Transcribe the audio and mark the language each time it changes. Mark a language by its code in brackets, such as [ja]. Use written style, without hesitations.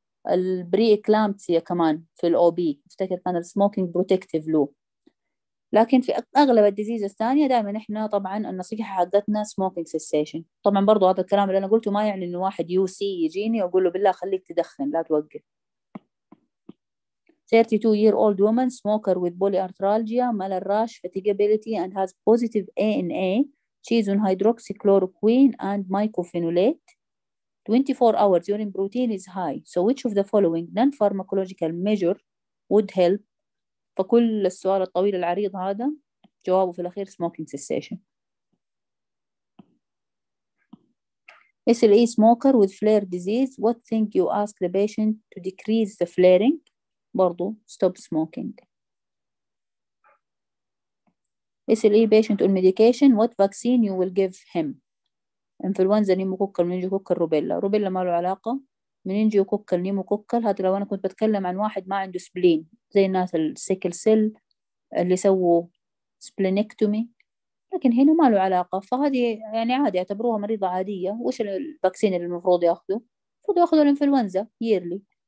[ar] البري اكلامبسيا كمان في الاو بي افتكر كان السموكينج بروتكتيف له، لكن في اغلب الديزيز الثانيه دائما احنا طبعا النصيحه حقتنا سموكينج سيسيشن. طبعا برضو هذا الكلام اللي انا قلته ما يعني انه واحد يو سي يجيني واقول له بالله خليك تدخن لا توقف. [en] 32 year old woman smoker with polyarthralgia, malarrash, fatigability and has positive ANA. She is on hydroxychloroquine and mycophenolate. 24 hours urine protein is high. So which of the following non-pharmacological measure would help? [ar] فكل السؤال الطويل العريض هذا جوابه في الأخير smoking cessation. [en] SLE smoker with flare disease. What thing you ask the patient to decrease the flaring? [ar] برضو stop smoking. [en] SLE patient on medication, what vaccine you will give him? Influenza, pneumococcal, meningococcal, rubella. Rubella [ar] ما له علاقة. Meningococcal, pneumococcal, هذا لو أنا كنت بتكلم عن واحد ما عنده spleen زي الناس السيكل سيل اللي سووا splenectomy، لكن هنا ما له علاقة، فهذه يعني عادي اعتبروها مريضة عادية. وش الفاكسين اللي المفروض ياخذه؟ المفروض ياخذوا الانفلونزا yearly.